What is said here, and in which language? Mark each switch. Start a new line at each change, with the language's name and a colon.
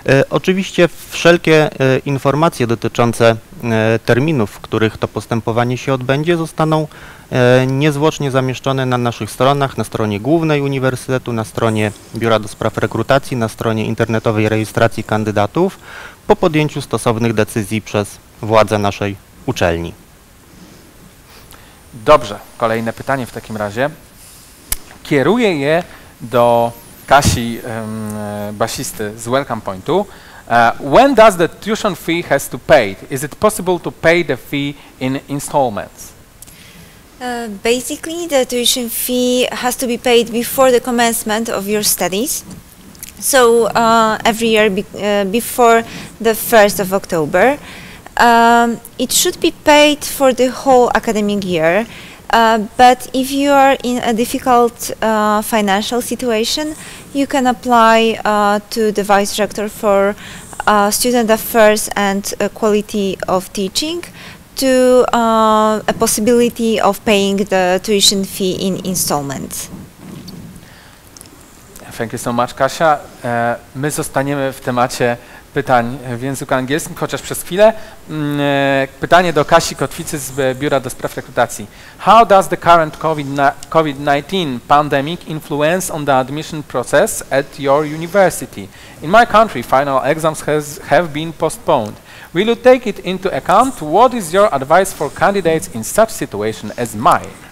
Polish: Oczywiście wszelkie informacje dotyczące terminów, w których to postępowanie się odbędzie, zostaną niezwłocznie zamieszczone na naszych stronach, na stronie głównej Uniwersytetu, na stronie Biura do Spraw Rekrutacji, na stronie internetowej rejestracji kandydatów po podjęciu stosownych decyzji przez władze naszej uczelni. Dobrze, kolejne pytanie w takim razie. Kieruję je do Kasi Basisty z Welcome Pointu.
English: When does the tuition fee has to pay? Is it possible to pay the fee in installments? Basically, the tuition fee has to be paid before the commencement of your studies. So every year before the 1st of October. It should be paid for the whole academic year. But if you are in a difficult financial situation, you can apply to the Vice Rector for Student Affairs and Quality of Teaching to a possibility of paying the tuition fee in installments. Thank you so much, Kasia.
Polish: My zostaniemy w temacie pytań w języku angielskim, chociaż przez chwilę. Pytanie do Kasi Kotwicy z Biura do Spraw Rekrutacji.
English: How does the current COVID-19 pandemic influence on the admission process at your university? In my country, final exams have been postponed. Will you take it into account? What is your advice for candidates in such situation as mine?